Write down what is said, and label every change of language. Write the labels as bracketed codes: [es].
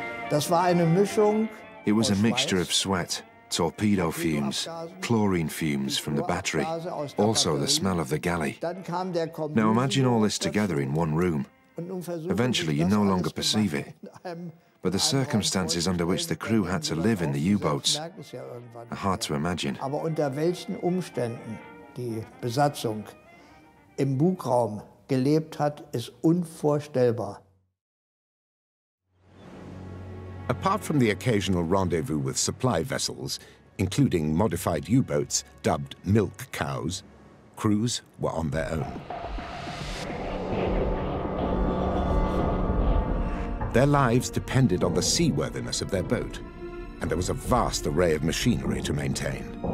[en] It was a mixture of sweat, torpedo fumes, chlorine fumes from the battery, also the smell of the galley. Now imagine all this together in one room. Eventually you no longer perceive it. But the circumstances under which the crew had to live in the U-boats are hard to imagine. [de] Aber unter welchen Umständen die Besatzung im Bugraum gelebt hat, ist unvorstellbar. [en] Apart from the occasional rendezvous with supply vessels, including modified U-boats dubbed milk cows, crews were on their own. Their lives depended on the seaworthiness of their boat, and there was a vast array of machinery to maintain.